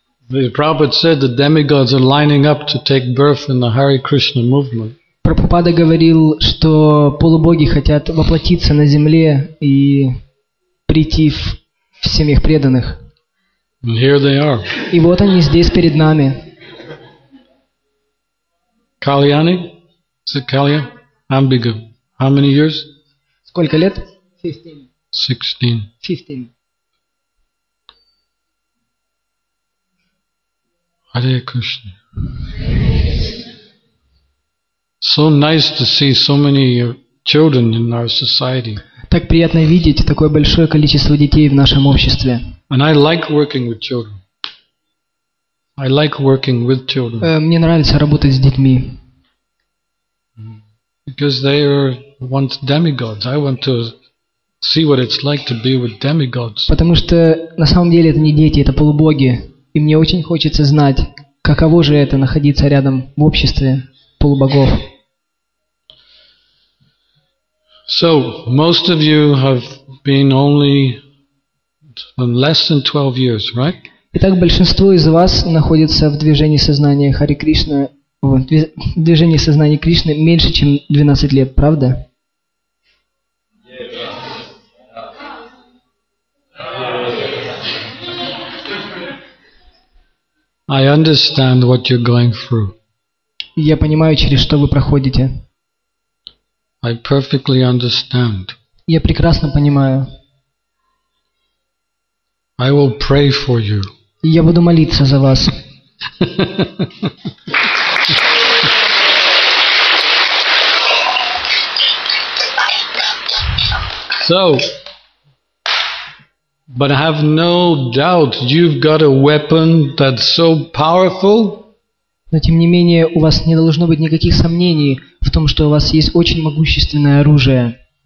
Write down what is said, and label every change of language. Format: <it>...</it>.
<en>The Prabhupada said the demigods are lining up to take birth in the Hare Krishna movement.</en> <ru>Прабхупада говорил, что полубоги хотят воплотиться на земле и прийти в семьях преданных.</ru> <en>And here they are.</en> <ru>И вот они здесь перед нами.</ru> <en>Kalyani? Is it Kalyani? Амбига. How many years?</en> <ru>Сколько лет?</ru> <en>16. Hare Krishna. So nice to see so many children in our society.</en> <ru>Так приятно видеть такое большое количество детей в нашем обществе.</ru> <en>And I like working with children. I like working with children.</en> <ru>Мне нравится работать с детьми.</ru> <en>Because they are once demigods. I want to see what it's like to be with demigods.</en> <ru>Потому что на самом деле это не дети, это полубоги, и мне очень хочется знать, каково же это находиться рядом в обществе полубогов.</ru> <en>So most of you have been only less than 12 years, right?</en> <ru>Итак, большинство из вас находится в движении сознания Хари Кришны, в движении сознания Кришны меньше чем 12 лет, правда?</ru> <en>I understand what you're going through.</en> <ru>Я понимаю, через что вы проходите.</ru> <en>I perfectly understand.</en> <ru>Я прекрасно понимаю.</ru> <en>I will pray for you.</en> <ru>Я буду молиться за вас.</ru> <en>So, but I have no doubt you've got a weapon that's so powerful.</en> <ru>Но тем не менее, у вас не должно быть никаких сомнений в том, что у вас есть очень могущественное оружие.</ru>